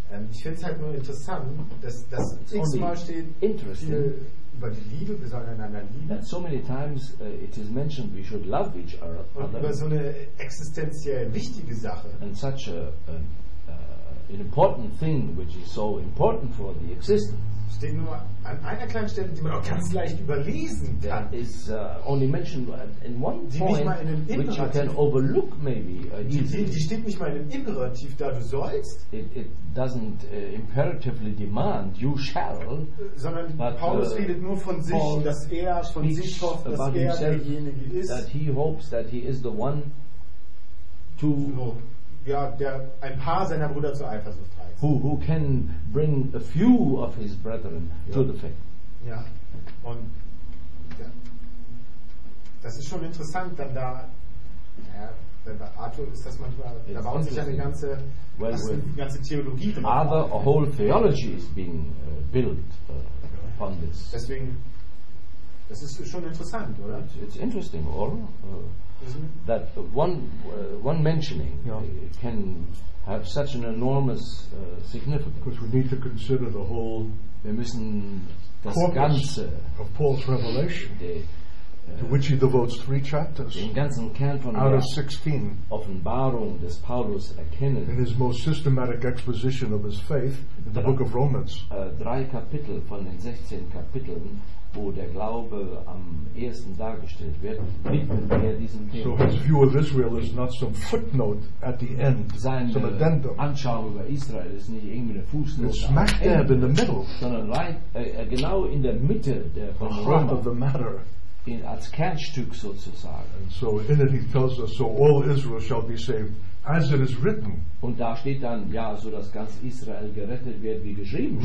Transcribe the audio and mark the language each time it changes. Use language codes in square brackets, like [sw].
[de] Ich finde es halt nur interessant, dass das x-mal steht, über die Liebe, wir sollen einander lieben. [en] That so many times it is mentioned, we should love each other. [de] Und über so eine existenziell wichtige Sache. [en] And such an important thing, which is so important for the existence. [de] Steht nur an einer kleinen Stelle, die man auch ganz leicht überlesen kann. [en] That is only mentioned in one point, which you can overlook maybe. [de] Die steht nicht mal in dem Imperativ, da du sollst. [en] It doesn't imperatively demand, you shall. [de] Sondern Paulus redet nur von sich, dass er von sich hofft, dass er derjenige ist. [en] That he hopes that he is the one to... No. [de] Ja, der ein paar seiner Brüder zur Eifersucht reizt. [en] Who can bring a few of his brethren ja. to the faith. [de] Ja, und ja. das ist schon interessant, dann da, naja, bei Arthur ist das manchmal, it's da baut sich ja eine ganze, well, das ist eine ganze Theologie drin. [en] Other a whole theology is being built upon this. [de] Deswegen, das ist schon interessant, oder? [en] It's interesting, or... that one mentioning yeah. can have such an enormous significance. Because we need to consider the whole [de] wir müssen das [en] corpus [de] ganze [en] of Paul's revelation, to which he devotes three chapters, [de] den ganzen Kern von [en] out of 16 [de] Offenbarung des Paulus erkennen, [en] in his most systematic exposition of his faith in the book of Romans. [de] Drei Kapitel von den 16 Kapiteln, wo der Glaube am ehesten dargestellt wird, widmet er diesem Thema. [en] So his view of Israel is not some footnote at the end, [de] seine [en] some addendum. [de] Anschauung über Israel ist nicht irgendwie eine Fußnote. [en] It's smack dab in the middle. [de] Sondern right, genau in der Mitte der von [en] the heart of the matter. [de] In, als Kernstück sozusagen. [en] And so in it he tells us, so all Israel shall be saved, as it is written. [de] Und da steht dann, ja, so dass ganz Israel gerettet wird, wie geschrieben.